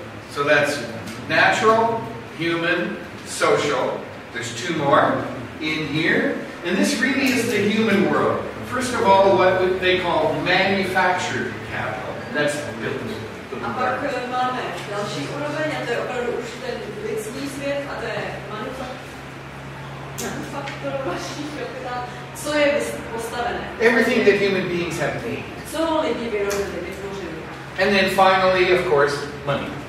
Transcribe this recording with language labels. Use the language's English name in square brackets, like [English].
[English] So that's natural, human, social. There's two more in here. And this really is the human world. First of all, what they call manufactured capital. That's the built. [Czech] A pak máme další úroveň, a to je opravdu už ten lidský svět, a to je manufakturovací kapital. Co je postavené? [English] Everything that human beings have made. [Czech] Co lidi vyrobili, vytvořili. [English] And then finally, of course, money.